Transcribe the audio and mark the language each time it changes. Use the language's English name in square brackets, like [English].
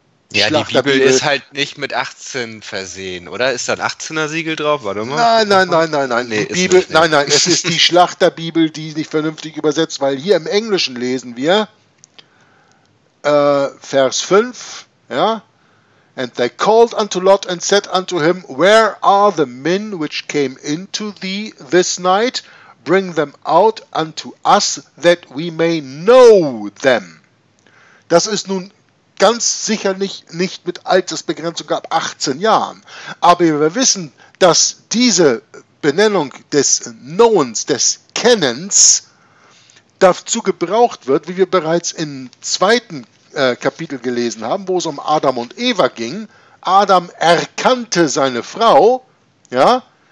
[German] Ja, die Bibel ist halt nicht mit 18 versehen, oder? Ist da ein 18er-Siegel drauf? Warte mal. Nein. Nee, Bibel, nein, es ist die Schlachterbibel, die nicht vernünftig übersetzt, weil hier im Englischen lesen wir Vers 5, ja? [English] And they called unto Lot and said unto him, Where are the men which came into thee this night? Bring them out unto us, that we may know them. [German] Das ist nun ganz sicher nicht mit Altersbegrenzung ab 18 Jahren. Aber wir wissen, dass diese Benennung des Knowens, des Kennens, dazu gebraucht wird, wie wir bereits im zweiten Kapitel gelesen haben, wo es um Adam und Eva ging. Adam erkannte seine Frau, ja,